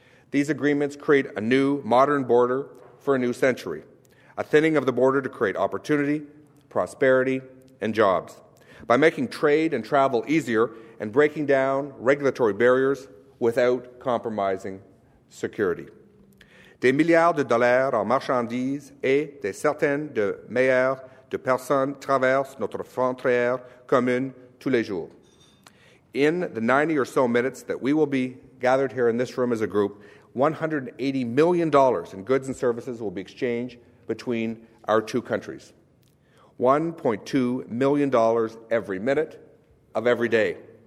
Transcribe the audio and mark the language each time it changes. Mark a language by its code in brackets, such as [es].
[en] These agreements create a new, modern border for a new century, a thinning of the border to create opportunity, prosperity, and jobs. By making trade and travel easier and breaking down regulatory barriers without compromising security. [fr] Des milliards de dollars en marchandises et des centaines de milliards de personnes traversent notre frontière commune tous les jours. [en] In the 90 or so minutes that we will be gathered here in this room as a group, $180 million in goods and services will be exchanged between our two countries. $1.2 million every minute of every day.